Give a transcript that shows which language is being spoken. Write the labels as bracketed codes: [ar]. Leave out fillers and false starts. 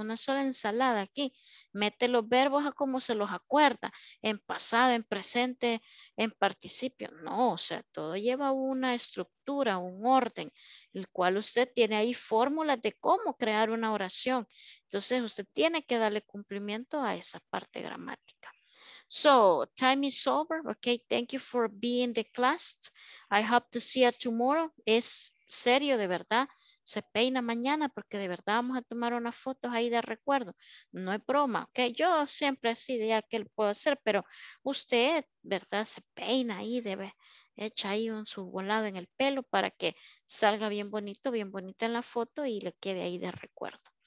[es] Es una sola ensalada aquí. Mete los verbos a como se los acuerda, en pasado, en presente, en participio. No, o sea, todo lleva una estructura, un orden, el cual usted tiene ahí fórmulas de cómo crear una oración. Entonces usted tiene que darle cumplimiento a esa parte gramática. [en] So, time is over. Okay, thank you for being in the class. I hope to see you tomorrow. [es] Es serio, de verdad. Se peina mañana porque de verdad vamos a tomar unas fotos ahí de recuerdo. No es broma, okay. Yo siempre así diría que lo puedo hacer, pero usted, ¿verdad? Se peina ahí, debe echar ahí un subvolado en el pelo para que salga bien bonito, bien bonita en la foto y le quede ahí de recuerdo.